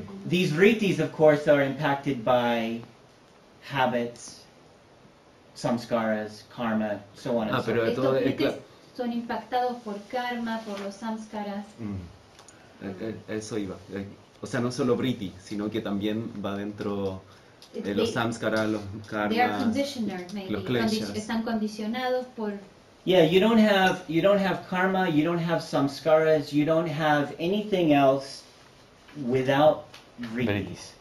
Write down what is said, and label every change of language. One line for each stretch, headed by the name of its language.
English: These vritis, of course, are impacted by habits, samskaras, karma, so on and so forth.
Spanish: Estos vritis son impactados por karma, por los samskaras. Eso iba. O sea, no solo vritti, sino que también va dentro de los samskaras, los karmas,
English: they are conditioned, maybe.
Spanish: Los kleshas. Están condicionados por.
English: Yeah, you don't have karma, you don't have samskaras, you don't have anything else without vrittis.